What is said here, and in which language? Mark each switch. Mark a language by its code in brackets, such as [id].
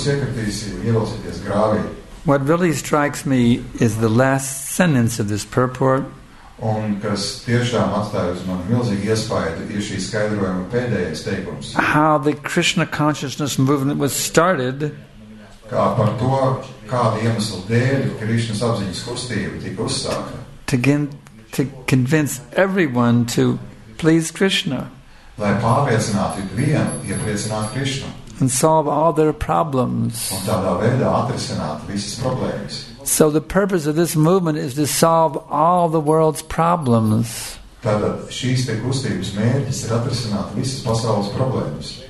[en] What really strikes me is the last sentence of this purport. [lv] Un kas tiešām atstājas man milzīgi iespaidu, ir šī skaidrojuma pēdējais teikums. [en] How the Krishna consciousness movement was started. [lv] Kā par to, kāda iemesla dēļ Krišnas apziņas kustība tika uzsākta. [en] To convince everyone to please Krishna. [lv] Lai pārliecinātu ikvienu, iepriecināt Krišnu. [en] And solve all their problems. [lv] Un tādā veidā atrisināt visas problēmas. [en] So the purpose of this movement is to solve all the world's problems. [lv] Tātad šīs te kustības mērķis ir atrisināt visas pasaules problēmas.